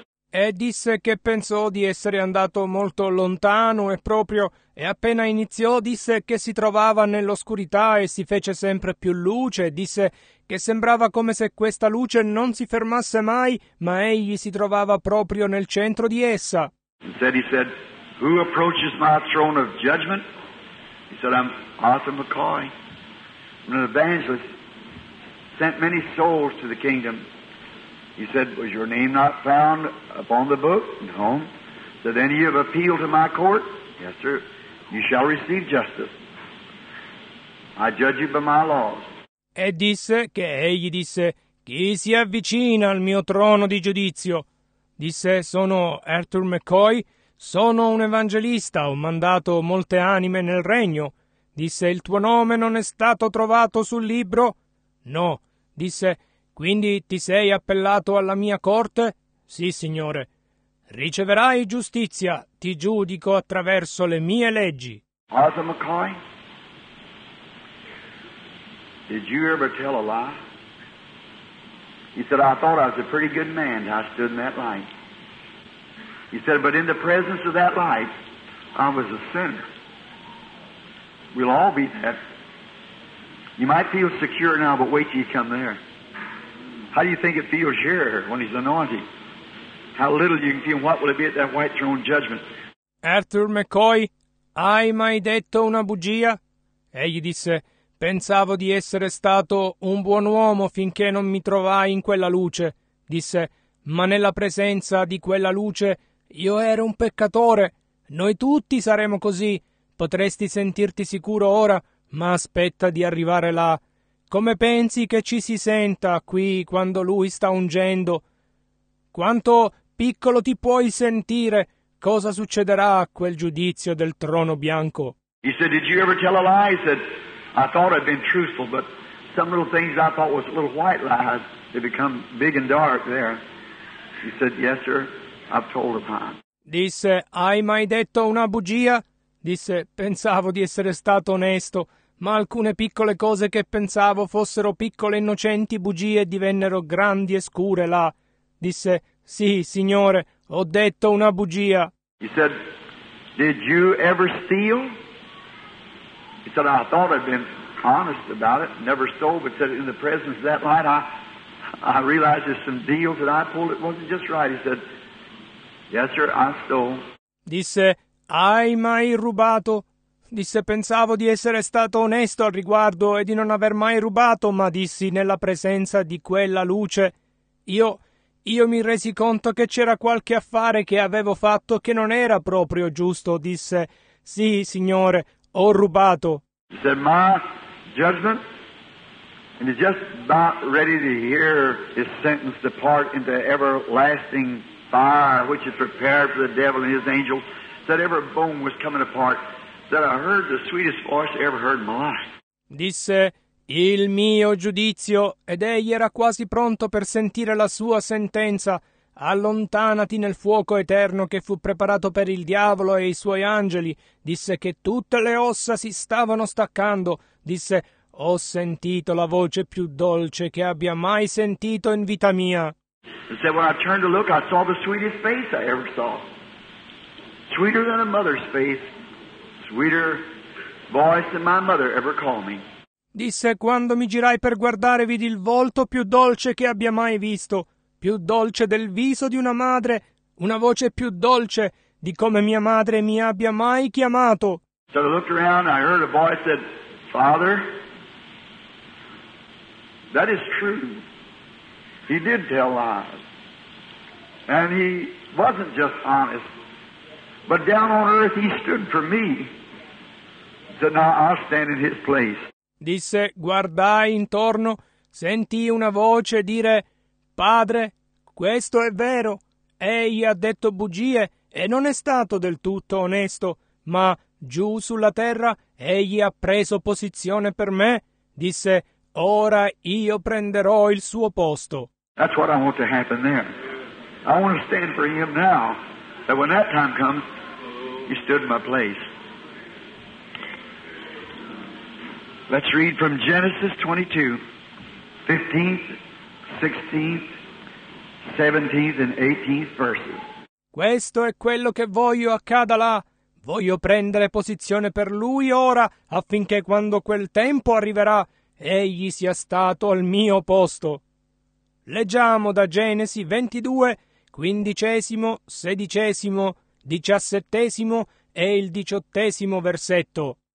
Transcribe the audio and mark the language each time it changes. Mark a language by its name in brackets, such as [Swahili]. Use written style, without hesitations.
[Italian] E disse che pensò di essere andato molto lontano e proprio, e appena iniziò disse che si trovava nell'oscurità e si fece sempre più luce, disse che sembrava come se questa luce non si fermasse mai, ma egli si trovava proprio nel centro di essa. [English] He said, who approaches my throne of judgment? He said, I'm Arthur McCoy. I'm an evangelist. Sent many souls to the kingdom. He said, was your name not found upon the book? No. So then you have appealed to my court? Yes, sir. You shall receive justice. I judge you by my laws. [Italian] E disse che egli disse, chi si avvicina al mio trono di giudizio? disse, sono Arthur McCoy, sono un evangelista, ho mandato molte anime nel regno. Disse, il tuo nome non è stato trovato sul libro? No, disse, quindi ti sei appellato alla mia corte? Sì, signore. Riceverai giustizia, ti giudico attraverso le mie leggi. [English] Arthur McCoy, did you ever tell a lie? He said, I thought I was a pretty good man when I stood in that light. He said, but in the presence of that light, I was a sinner. We'll all be that. You might feel secure now, but wait till you come there. How do you think it feels here when he's anointed? How little you can feel, what will it be at that white throne judgment? [Italian] Arthur McCoy, hai mai detto una bugia? Egli disse, pensavo di essere stato un buon uomo finché non mi trovai in quella luce. Disse, ma nella presenza di quella luce io ero un peccatore. Noi tutti saremo così. Potresti sentirti sicuro ora, ma aspetta di arrivare là. Come pensi che ci si senta qui quando lui sta ungendo? Quanto piccolo ti puoi sentire? Cosa succederà a quel giudizio del trono bianco? [English] He said, did you ever tell a lie? He said, I thought I'd been truthful, but some little things I thought was little white lies, they become big and dark there. He said, yes, sir, I've told a lie. [Italian] Disse, hai mai detto una bugia? Disse, pensavo di essere stato onesto, ma alcune piccole cose che pensavo fossero piccole innocenti bugie divennero grandi e scure là. Disse, sì, signore, ho detto una bugia. [English] He said, did you ever steal? He said, I thought I'd been honest about it, never stole, but said, in the presence of that light, I realized there's some deals that I pulled, it wasn't just right. He said, yes, sir, I stole. [Italian] Disse, hai mai rubato? Disse, pensavo di essere stato onesto al riguardo e di non aver mai rubato, ma dissi, nella presenza di quella luce, io mi resi conto che c'era qualche affare che avevo fatto che non era proprio giusto. Disse, sì, signore, ho rubato. [English] He said, my judgment, and he's just about ready to hear his sentence depart into everlasting fire, which is prepared for the devil and his angels. Said every bone was coming apart. Said I heard the sweetest voice I ever heard in my life. [Italian] Disse, il mio giudizio, ed egli era quasi pronto per sentire la sua sentenza. Allontanati nel fuoco eterno che fu preparato per il diavolo e i suoi angeli. Disse che tutte le ossa si stavano staccando. Disse, ho sentito la voce più dolce che abbia mai sentito in vita mia. Disse, [English] when I turned to look, I saw the sweetest face I ever saw. Sweeter than a mother's face. Sweeter voice than my mother ever called me. [Italian] Disse, quando mi girai per guardare, vidi il volto più dolce che abbia mai visto. Più dolce del viso di una madre, una voce più dolce di come mia madre mi abbia mai chiamato. [English] So I looked around, I heard a voice said, Father, that is true. He did tell lies. And he wasn't just honest. But down on earth he stood for me. So now I stand in his place. [Italian] Disse, guardai intorno, sentì una voce dire, Padre, questo è vero. Egli ha detto bugie e non è stato del tutto onesto, ma giù sulla terra egli ha preso posizione per me. Disse, ora io prenderò il suo posto. [English] That's what I want to happen there. I want to stand for him now, that when that time comes, he stood in my place. Let's read from Genesis 22, 15th, 16th, 17th and 18th verses. [Italian] Questo è quello che voglio accada là. Voglio prendere posizione per lui ora, affinché quando quel tempo arriverà, egli sia stato al mio posto. Leggiamo da Genesi 22, 15, 16, 17 e il 18 versetto.